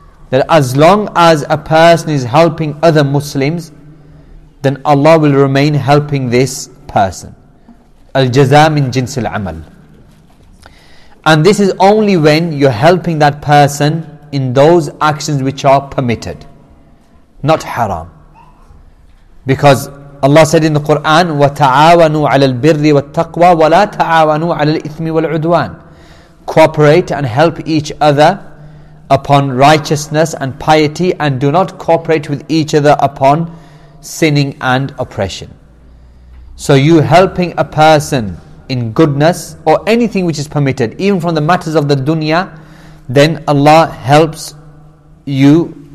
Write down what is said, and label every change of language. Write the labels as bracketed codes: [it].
[en] That as long as a person is helping other Muslims, then Allah will remain helping this person. Al-jaza min jins al-amal. And this is only when you're helping that person in those actions which are permitted, not haram. [ar] Because Allah said in the Quran, وَتَعَاوَنُوا عَلَى الْبِرِّ وَالتَّقْوَى وَلَا تَعَاوَنُوا عَلَى الْإِثْمِ وَالْعُدْوَانِ. [en] Cooperate and help each other upon righteousness and piety, and do not cooperate with each other upon sinning and oppression. So you helping a person in goodness or anything which is permitted, even from the matters of the dunya, then Allah helps you